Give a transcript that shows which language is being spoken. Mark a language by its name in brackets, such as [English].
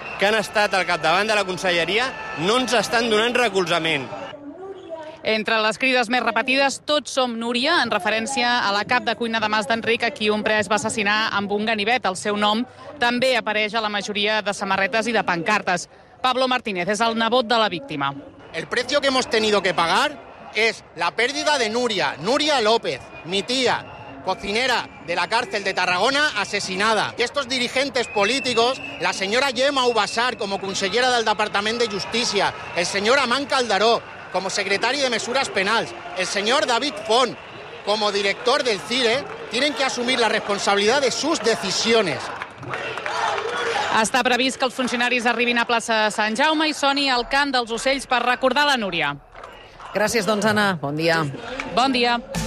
[Catalan] que han estat al capdavant de la conselleria no ens estan donant recolzament. Entre les crides més repetides, tots som Núria, en referència a la cap de cuina de Mas d'Enric, a qui un pres va assassinar amb un ganivet. El seu nom també apareix a la majoria de samarretes i de pancartes. Pablo Martínez és el nebot de la víctima. [Spanish] El precio que hemos tenido que pagar es la pérdida de Núria, Núria López, mi tía, cocinera de la cárcel de Tarragona, asesinada. Y estos dirigentes políticos, la señora Gemma Ubasar como consellera del Departamento de Justicia, el señor Amán Calderó como secretario de Mesuras Penales, el señor David Font como director del CIRE, tienen que asumir la responsabilidad de sus decisiones. [Catalan] Està previst que els funcionaris arribin a plaça de Sant Jaume i soni el cant dels ocells per recordar la Núria. Gràcies, doncs, Anna. Bon dia. Bon dia.